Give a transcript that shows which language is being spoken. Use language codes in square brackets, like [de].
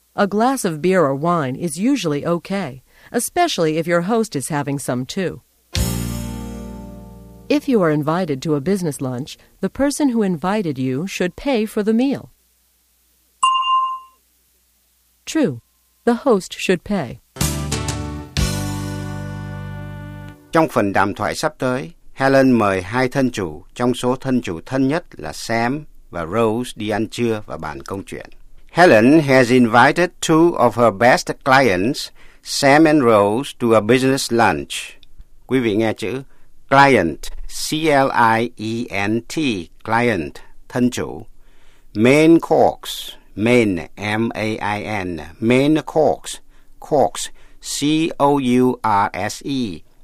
[en] A glass of beer or wine is usually okay, especially if your host is having some too. If you are invited to a business lunch, the person who invited you should pay for the meal. True, the host should pay. [vi] Trong phần đàm thoại sắp tới, Helen mời hai thân chủ, trong số thân chủ thân nhất là Sam và Rose đi ăn trưa và bàn công chuyện. [en] Helen has invited two of her best clients, Sam and Rose, to a business lunch. [vi] Quý vị nghe chữ client, C-L-I-E-N-T, client, thân chủ. [en] Main course, main, M-A-I-N, main course, course, C-O-U-R-S-E.